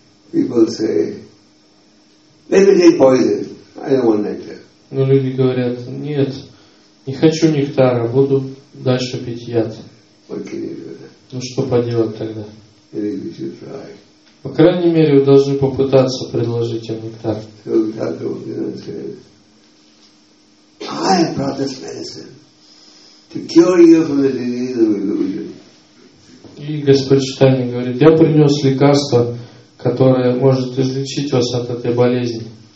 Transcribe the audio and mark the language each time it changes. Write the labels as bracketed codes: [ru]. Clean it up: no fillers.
[en] People say, Maybe they boiled it. I don't want nectar. [ru] Но люди говорят, нет, не хочу нектара, буду дальше пить яд. [en] What can you do? [ru] Ну что поделать тогда? [en] Maybe we should try. [ru] По крайней мере, вы должны попытаться предложить им нектар. [en] So we have to, you know, say, I brought this medicine to cure you from the disease of illusion. [ru] И Господь Читания говорит, я принес лекарство, которое может излечить вас от этой болезни.